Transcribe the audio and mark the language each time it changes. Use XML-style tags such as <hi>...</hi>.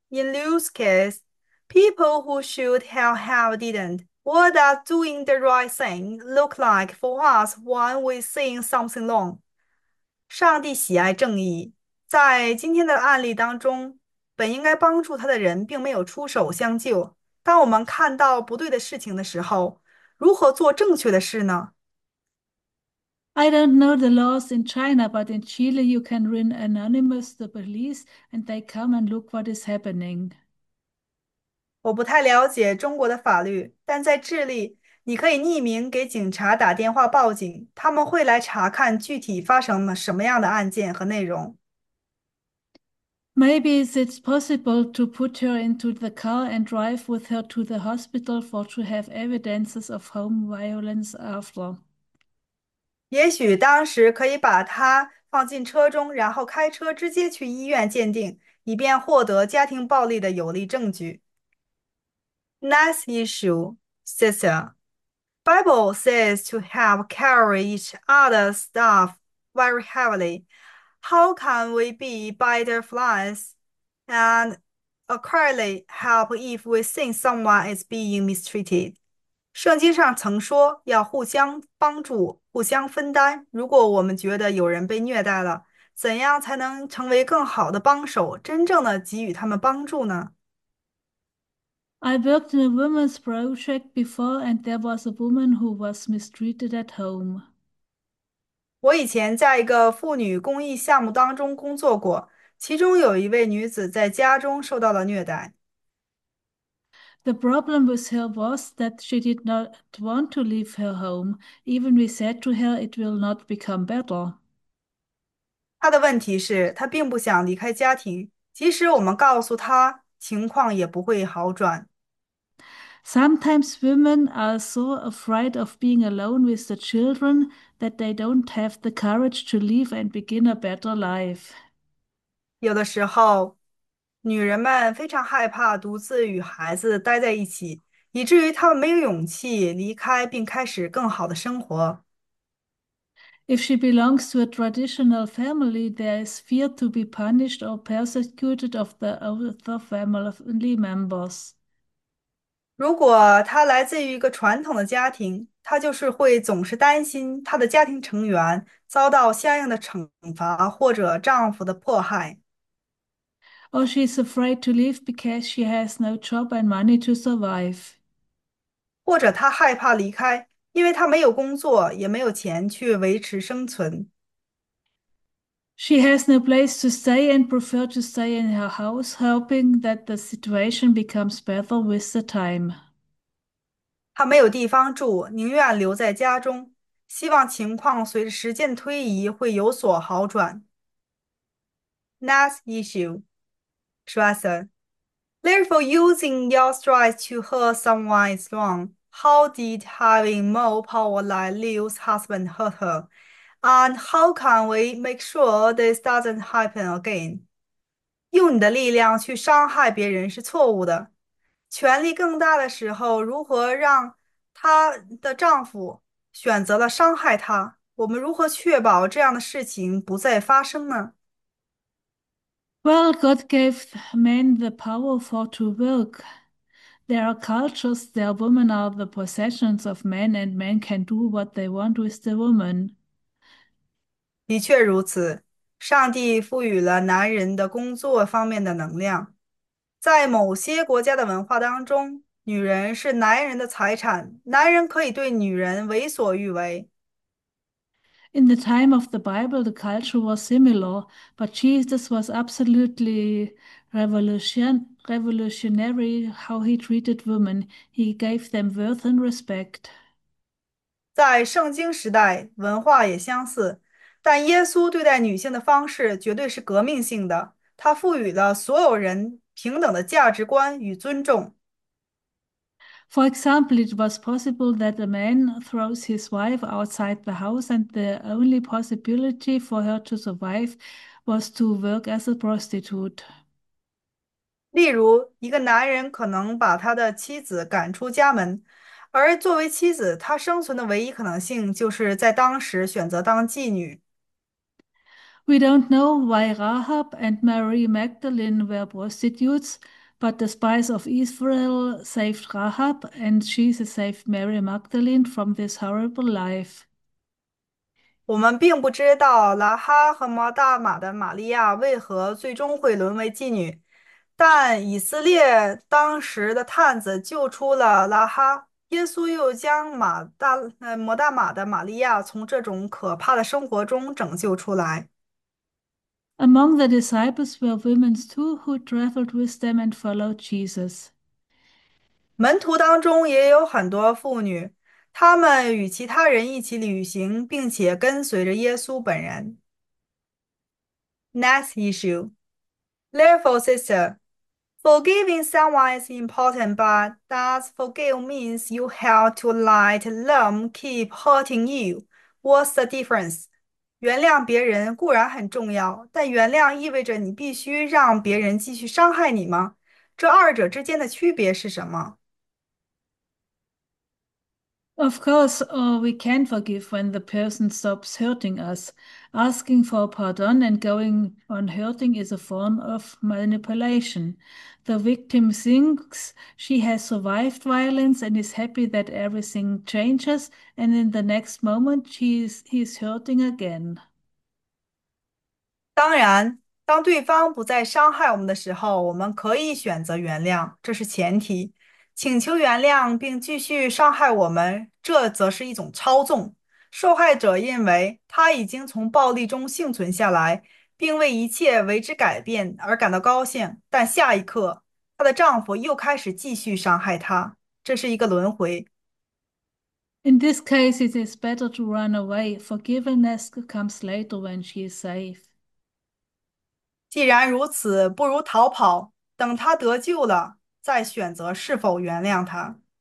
<en>In Luke's case, people who should have didn't. What does doing the right thing look like for us when we're seeing something wrong?</en> <zh>上帝喜爱正义，在今天的案例当中，本应该帮助他的人并没有出手相救。当我们看到不对的事情的时候，如何做正确的事呢？</zh> <en>I don't know the laws in China, but in Chile you can ring anonymous the police and they come and look what is happening.</en> <zh>我不太了解中国的法律，但在智利，你可以匿名给警察打电话报警，他们会来查看具体发生了什么样的案件和内容。</zh> <en>Maybe it's possible to put her into the car and drive with her to the hospital for to have evidences of home violence after.</en> <zh>也许当时可以把她放进车中，然后开车直接去医院鉴定，以便获得家庭暴力的有力证据。</zh> <en>Next issue, sister. Bible says to help carry each other's stuff very heavily. How can we be butterflies and accurately help if we think someone is being mistreated?</en> <zh>圣经上曾说要互相帮助、互相分担。如果我们觉得有人被虐待了，怎样才能成为更好的帮手，真正的给予他们帮助呢？</zh> <en>I worked in a women's project before, and there was a woman who was mistreated at home.</en> <zh>我以前在一个妇女公益项目当中工作过，其中有一位女子在家中受到了虐待。</zh> <en>The problem with her was that she did not want to leave her home. Even we said to her, it will not become better.</en> <zh>她的问题是，她并不想离开家庭，即使我们告诉她，情况也不会好转。</zh> <en>Sometimes women are so afraid of being alone with the children that they don't have the courage to leave and begin a better life.</en> <zh>有的时候，女人们非常害怕独自与孩子待在一起，以至于她们没有勇气离开，并开始更好的生活。</zh> <en>If she belongs to a traditional family, there is fear to be punished or persecuted of the other family members.</en> <zh>如果她来自于一个传统的家庭，她就是会总是担心她的家庭成员遭到相应的惩罚或者丈夫的迫害。</zh> <en>Or she's afraid to leave because she has no job and money to survive.</en> <zh>或者他害怕离开，因为他没有工作，也没有钱去维持生存。</zh> <en>She has no place to stay and prefer to stay in her house, hoping that the situation becomes better with the time.</en> <zh>他没有地方住，宁愿留在家中，希望情况随着时间推移会有所好转。</zh> <en>Next issue, stressor. Therefore, using your strength to hurt someone is wrong. How did having more power like Liu's husband hurt her? And how can we make sure this doesn't happen again?</en> <zh>用你的力量去伤害别人是错误的。权力更大的时候，如何让她的丈夫选择了伤害她？我们如何确保这样的事情不再发生呢？</zh> <en>Well, God gave men the power for to work. There are cultures where women are the possessions of men and men can do what they want with the woman.</en> <zh>的确如此，上帝赋予了男人的工作方面的能量。在某些国家的文化当中，女人是男人的财产，男人可以对女人为所欲为。</zh> <en>In the time of the Bible, the culture was similar, but Jesus was absolutely revolutionary how he treated women. He gave them worth and respect.</en> <zh>在圣经时代，文化也相似。但耶稣对待女性的方式绝对是革命性的，他赋予了所有人平等的价值观与尊重。</zh> <en>For example, it was possible that a man throws his wife outside the house, and the only possibility for her to survive was to work as a prostitute.</en> <zh>例如，一个男人可能把他的妻子赶出家门。而作为妻子，她生存的唯一可能性就是在当时选择当妓女。</zh> <en>We don't know why Rahab and Mary Magdalene were prostitutes. But the spies of Israel saved Rahab, and Jesus saved Mary Magdalene from this horrible life.</en> <zh>我们并不知道拉哈和摩大玛的玛利亚为何最终会沦为妓女，但以色列当时的探子救出了拉哈。耶稣又将摩大马的玛利亚从这种可怕的生活中拯救出来。</zh> <en>Among the disciples were women too who traveled with them and followed Jesus.</en> <zh>门徒当中也有很多妇女，她们与其他人一起旅行，并且跟随着耶稣本人。</zh> <en>Next issue. Therefore, sister. Forgiving someone is important, but does forgive means you have to let them keep hurting you? What's the difference?</en> <zh>原谅别人固然很重要，但原谅意味着你必须让别人继续伤害你吗？这二者之间的区别是什么？</zh> <en>Of course, we can forgive when the person stops hurting us. Asking for pardon and going on hurting is a form of manipulation. The victim thinks she has survived violence and is happy that everything changes, and in the next moment, he's hurting again.</en> <zh>当然，当对方不再伤害我们的时候，我们可以选择原谅，这是前提。请求原谅并继续伤害我们，这则是一种操纵。受害者认为他已经从暴力中幸存下来，并为一切为之改变而感到高兴，但下一刻，她的丈夫又开始继续伤害她，这是一个轮回。</zh> <en>In this case, it is better to run away. Forgiveness comes later when she is safe.</en> <zh>既然如此，不如逃跑，等他得救了，再选择是否原谅他。</zh>